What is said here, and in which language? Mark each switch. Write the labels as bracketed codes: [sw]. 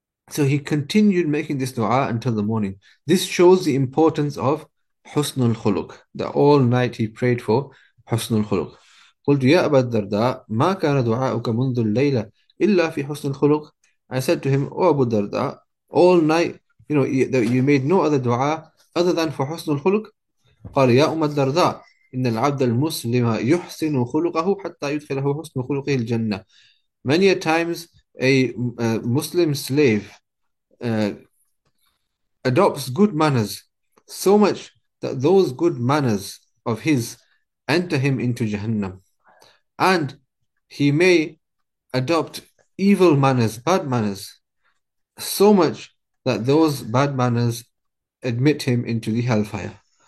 [en] So he continued making this dua until the morning. This shows the importance of husnul khuluq, that all night he prayed for husnul khuluq. [ar] قُلْتُ يَا أَبَا الدَّرْدَىٰ مَا كَانَ دُعَاءُكَ مُنْذُ اللَّيْلَةِ إِلَّا فِي حُسْنُ الْخُلُقِ. [en] I said to him, oh Abu Darda, all night, you know, you made no other dua other than for husnul khuluq. [ar] قَالَ يَا أُمَّ الدَّرْدَىٰ, إن العبد المسلم يحسن خلقه حتى يدخله حسن خلقه الجنة. [en] Many a times a Muslim slave adopts good manners so much that those good manners of his enter him into Jahannam. And he may adopt evil manners, bad manners, so much that those bad manners admit him into the hellfire.